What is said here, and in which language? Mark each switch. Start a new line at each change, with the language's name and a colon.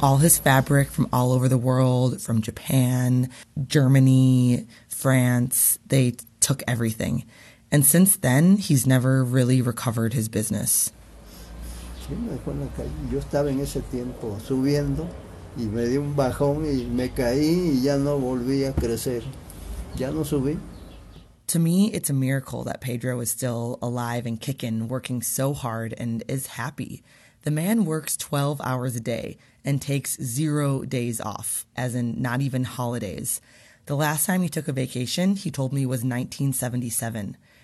English: All his fabric from all over the world, from Japan, Germany, France, they took everything. And since then, he's never really recovered his business.
Spanish: Sí, me dejó en la calle. Yo estaba en ese tiempo subiendo y me di un bajón y me caí y ya no volví a crecer. Ya no subí.
English: To me, it's a miracle that Pedro is still alive and kicking, working so hard and is happy. The man works 12 hours a day and takes 0 days off, as in not even holidays. The last time he took a vacation, he told me, was 1977.